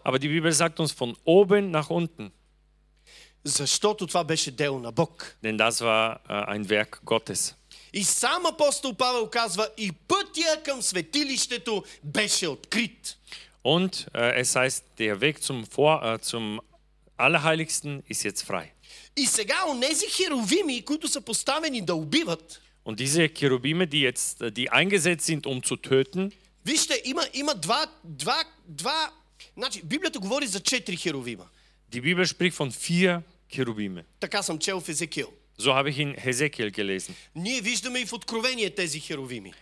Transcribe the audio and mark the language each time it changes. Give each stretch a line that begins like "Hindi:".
German: Aber die Bibel sagt uns von oben nach unten.
Bulgarian: Защото това беше дело на Бог.
German: Denn das war ein Werk Gottes.
Bulgarian: И сам апостол Павел казва, и пътя към светилището беше открит.
German: Und es heißt, der Weg zum Allerheiligsten ist jetzt frei.
Bulgarian: И сега онези херувими, които са поставени да убиват.
German: Und diese Cherubime, die jetzt die eingesetzt sind, um zu töten.
Bulgarian: Вижте, има два, значи Библията говори за четири херувима.
German: Die Bibel spricht von vier Cherubime.
Bulgarian: Така съм чел в Езекиил.
German: So habe ich in Hesekiel gelesen.
Bulgarian: Ние виждаме и в Откровение тези херувими.